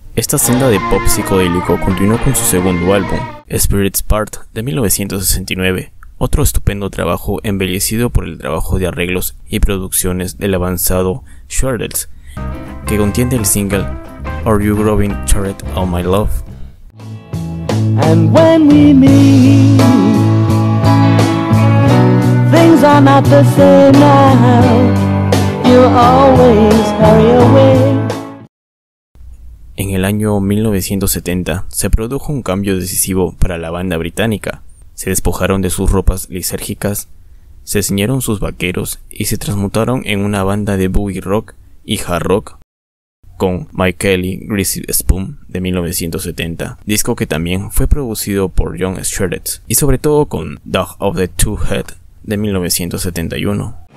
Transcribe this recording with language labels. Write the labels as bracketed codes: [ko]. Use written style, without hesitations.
[es] Esta senda de pop psicodélico continuó con su segundo álbum, Spirit's Part, de 1969, otro estupendo trabajo embellecido por el trabajo de arreglos y producciones del avanzado Shredders, que contiene el single Are You Growing Tired of My Love? [en] And when we meet, things are not the same now. You always hurry away. [es] En el año 1970 se produjo un cambio decisivo para la banda británica. Se despojaron de sus ropas lisérgicas, se ceñieron sus vaqueros y se transmutaron en una banda de boogie rock y hard rock, con My Kelly Greasy Spoon de 1970, disco que también fue producido por John Shredders, y sobre todo con Dog of the Two Head de 1971.